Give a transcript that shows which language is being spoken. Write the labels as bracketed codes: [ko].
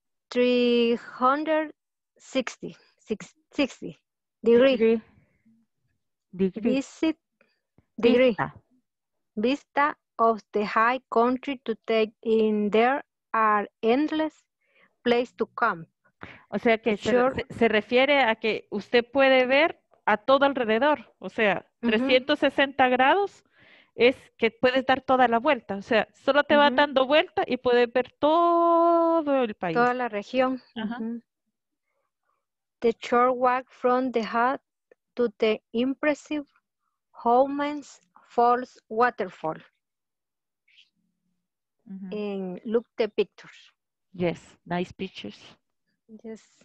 [en] 360 degree vista of the high country to take in. There are endless places to camp. [es] O sea que se refiere a que usted puede ver a todo alrededor. O sea, uh-huh, 360 grados es que puedes dar toda la vuelta. O sea, solo te uh-huh va dando vuelta y puedes ver todo el país. Toda la región. Uh-huh. Uh-huh. [en] The short walk from the hut to the impressive Holmes Falls waterfall. Mm-hmm. And look the pictures. Yes, nice pictures. Yes.